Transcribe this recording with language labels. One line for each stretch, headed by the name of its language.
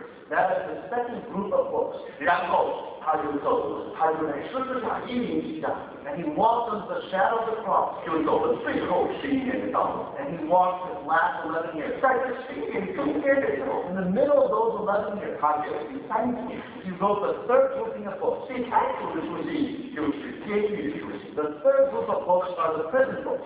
English: That is the second group of books.
Chinese: 然后他就走，他就在十字架阴影底下。
English: And he walked under the shadow of the cross.
Chinese: 就走了最后十一年的道路。
English: And he walked his last 11 years.
Chinese: 在这十一年中间的时候。
English: In the middle of those 11 years,
Chinese: 他写了第三卷。
English: He wrote the third grouping of books.
Chinese: 第三组的书信就是监狱的书信。
English: The third group of books are the prison books.